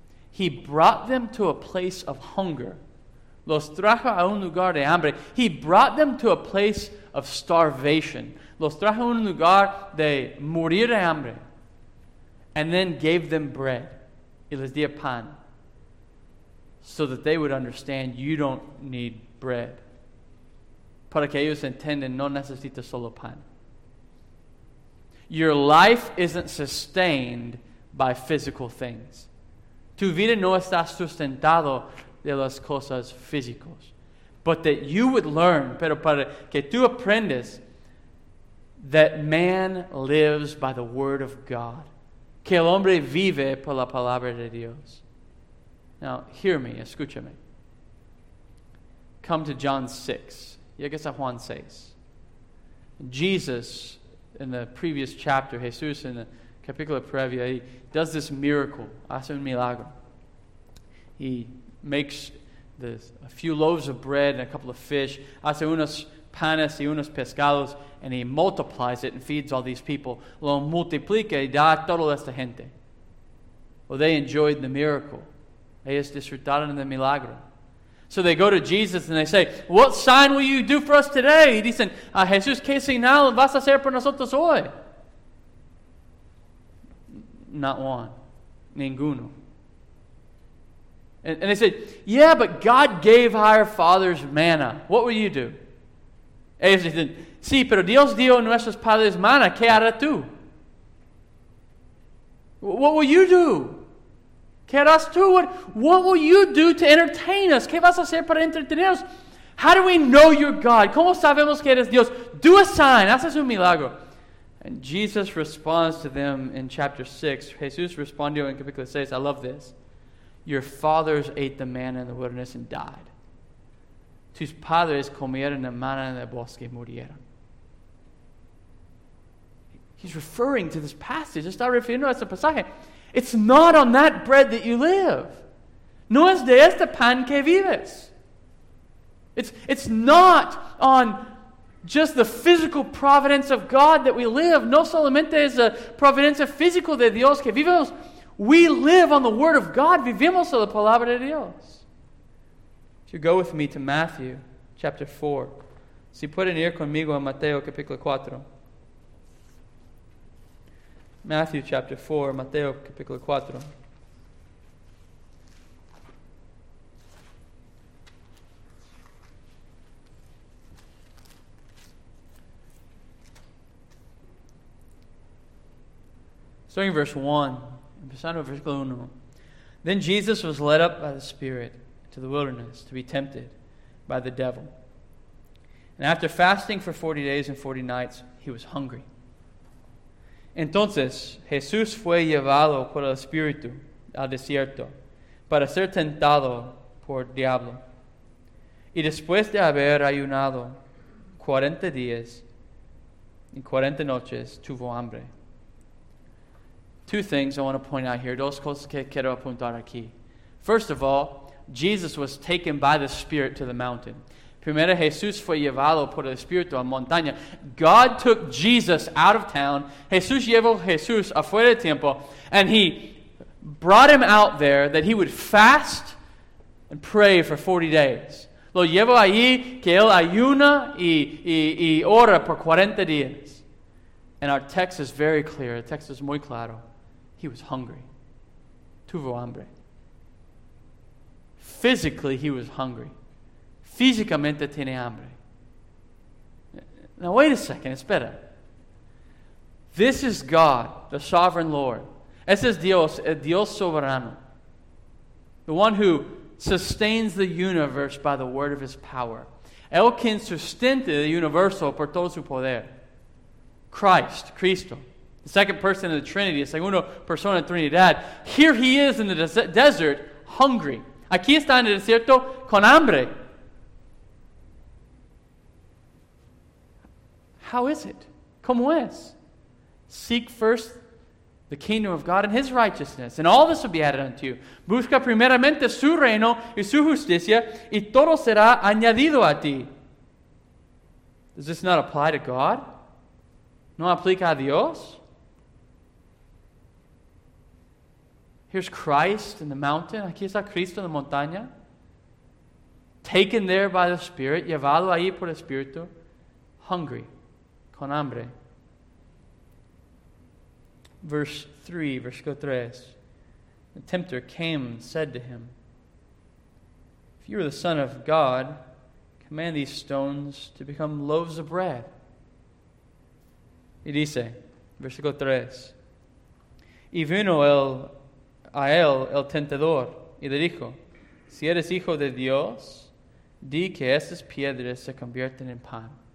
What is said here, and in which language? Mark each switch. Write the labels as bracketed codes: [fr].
[en] He brought them to a place of hunger. [es] Los trajo a un lugar de hambre. [en] He brought them to a place of starvation. [es] Los trajo a un lugar de morir de hambre. [en] And then gave them bread. [es] Y les dio pan. [en] So that they would understand you don't need bread. [es] Para que ellos entiendan, no necesitas solo pan. [en] Your life isn't sustained by physical things. [es] Tu vida no está sustentado de las cosas físicas. [en] But that you would learn, [es] pero para que tú aprendas, [en] that man lives by the word of God. [es] Que el hombre vive por la palabra de Dios. [en] Now, hear me, [es] escúchame. [en] Come to John 6. [es] Llegas a Juan 6. [en] Jesus, in the previous chapter, Jesús in the [es] capítulo previo, [en] he does this miracle, [es] hace un milagro. [en] He makes a few loaves of bread and a couple of fish, [es] hace unos panes y unos pescados, [en] and he multiplies it and feeds all these people. [es] Lo multiplica y da a toda esta gente. [en] Well, they enjoyed the miracle. [es] Ellos disfrutaron del milagro. [en] So they go to Jesus and they say, what sign will you do for us today? [es] Y dicen, Jesús, ¿qué señal vas a hacer por nosotros hoy? [en] Not one. [es] Ninguno. [en] And they said, yeah, but God gave our fathers manna. What will you do? [es] Ellos dicen, sí, pero Dios dio a nuestros padres manna. ¿Qué hará tú? [en] What will you do? [es] ¿Qué harás tú? [en] What will you do to entertain us? [es] ¿Qué vas a hacer para entretenernos? [en] How do we know you're God? [es] ¿Cómo sabemos que eres Dios? [en] Do a sign. [es] Haces un milagro. [en] And Jesus responds to them in chapter 6. [es] Jesús respondió en capítulo 6. [en] I love this. Your fathers ate the manna in the wilderness and died. [es] Tus padres comieron la manna en el bosque y murieron. [en] He's referring to this passage. [es] Está refiriendo a ese pasaje. [en] It's not on that bread that you live. [es] No es de este pan que vives. [en] It's not on just the physical providence of God that we live. [es] No solamente es la providencia física de Dios que vivimos. [en] We live on the Word of God. [es] Vivimos a la Palabra de Dios. [en] If you go with me to Matthew chapter 4. [es] Si pueden ir conmigo a Mateo capítulo 4. [en] Matthew chapter 4, [es] Mateo capítulo 4. [en] Starting verse 1, [es] empezando en versículo 1. [en] Then Jesus was led up by the Spirit to the wilderness to be tempted by the devil. And after fasting for 40 days and 40 nights, he was hungry. [es] Entonces, Jesús fue llevado por el Espíritu al desierto para ser tentado por el diablo. Y después de haber ayunado 40 días y 40 noches, tuvo hambre. [en] Two things I want to point out here. [es] Dos cosas que quiero apuntar aquí. [en] First of all, Jesus was taken by the Spirit to the mountain. [es] Primero, Jesús fue llevado por el Espíritu a montaña. [en] God took Jesus out of town. [es] Jesús llevó Jesús afuera del templo. [en] And he brought him out there that he would fast and pray for 40 days. [es] Lo llevó allí que él ayuna y ora por 40 días. [en] And our text is very clear. Our text is [es] muy claro. [en] He was hungry. [es] Tuvo hambre. [en] Physically, he was hungry. [es] Físicamente tiene hambre. [en] Now, wait a second, it's better. This is God, the sovereign Lord. [es] Ese es Dios, el Dios soberano. [en] The one who sustains the universe by the word of his power. [es] El quien sustente el universo por todo su poder. [en] Christ, Cristo. The second person of the Trinity, [es] la segunda persona de la Trinidad. [en] Here he is in the desert, hungry. [es] Aquí está en el desierto con hambre. [en] How is it? ¿Cómo es? Seek first the kingdom of God and his righteousness, and all this will be added unto you. [es] Busca primeramente su reino y su justicia, y todo será añadido a ti. [en] Does this not apply to God? [es] ¿No aplica a Dios? [en] Here's Christ in the mountain. [es] Aquí está Cristo en la montaña. [en] Taken there by the Spirit. [es] Llevado ahí por el Espíritu. [en] Hungry. [es] Con hambre. [en] Verse 3, [es] versículo 3. [en] The tempter came and said to him, if you are the Son of God, command these stones to become loaves of bread. [es] Y dice, versículo 3. Y vino el a él, el tentador, y le dijo, si eres hijo de Dios, di que esas piedras se convierten en pan.